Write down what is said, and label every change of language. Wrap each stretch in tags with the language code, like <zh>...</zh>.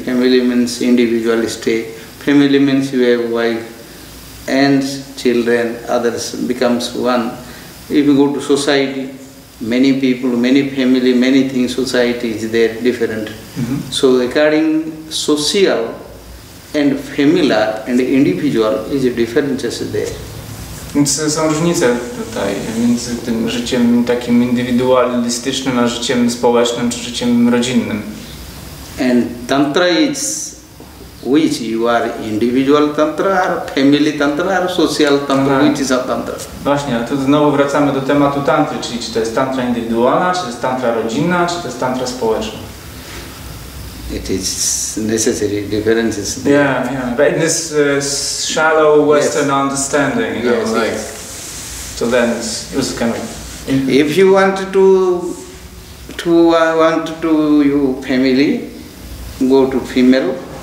<en>Family means individual stay. Family means you have wife and children, others becomes one. If you go to society, many people, many family, many things, society is there, different. Mm-hmm. So according social and familiar and individual is a difference there.</en> <pl>Więc są różnice tutaj między tym życiem takim indywidualistycznym, a życiem społecznym czy życiem rodzinnym.</pl> <en>And tantra is which you are individual tantra, or family tantra, or social tantra, which is a tantra.</en> <pl>Właśnie, to znowu wracamy do tematu tantry, czyli czy to jest tantra indywidualna, czy to jest tantra rodzinna, czy to jest tantra społeczna.</pl> <en>It is necessary differences. Yeah, yeah, but in this shallow Western understanding, you know, so then it's kind of. If you want to you family, go to female.</en>